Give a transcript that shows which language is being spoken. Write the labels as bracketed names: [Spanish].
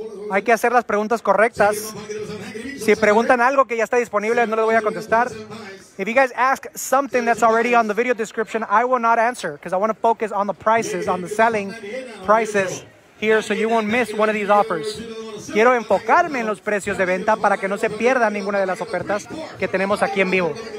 [Spanish] Hay que hacer las preguntas correctas. Si preguntan algo que ya está disponible, no les voy a contestar. [English] If you guys ask something that's already on the video description, I will not answer because I want to focus on the prices, on the selling prices here so you won't miss one of these offers. [Spanish] Quiero enfocarme en los precios de venta para que no se pierda ninguna de las ofertas que tenemos aquí en vivo.